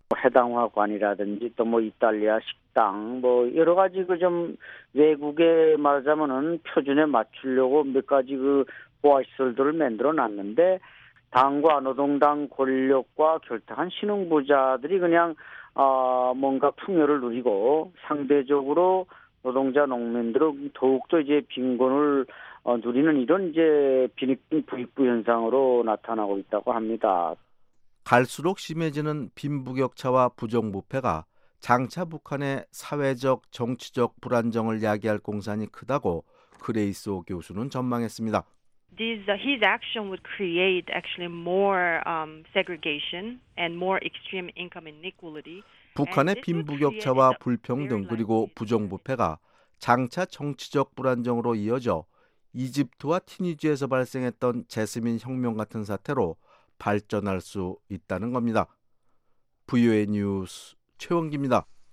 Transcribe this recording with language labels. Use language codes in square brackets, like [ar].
[ko] 해당화관이라든지 또 뭐 이탈리아 식당 뭐 여러 가지 그 좀 외국에 말하자면은 표준에 맞추려고 몇 가지 그 보호시설들을 만들어 놨는데 당과 노동당 권력과 결탁한 신흥부자들이 그냥 뭔가 풍요를 누리고 상대적으로 노동자 농민들은 더욱더 이제 빈곤을 누리는 이런 이제 빈익빈 부익부 현상으로 나타나고 있다고 합니다. 갈수록 심해지는 빈부격차와 부정부패가 장차 북한의 사회적, 정치적 불안정을 야기할 공산이 크다고 그레이스 오 교수는 전망했습니다. [en] His action would create actually more segregation and more extreme income inequality. [ko] 북한의 빈부격차와 불평등 그리고 부정부패가 장차 정치적 불안정으로 이어져 이집트와 튀니지에서 발생했던 제스민 혁명 같은 사태로 발전할 수 있다는 겁니다. VOA 뉴스 최원기입니다.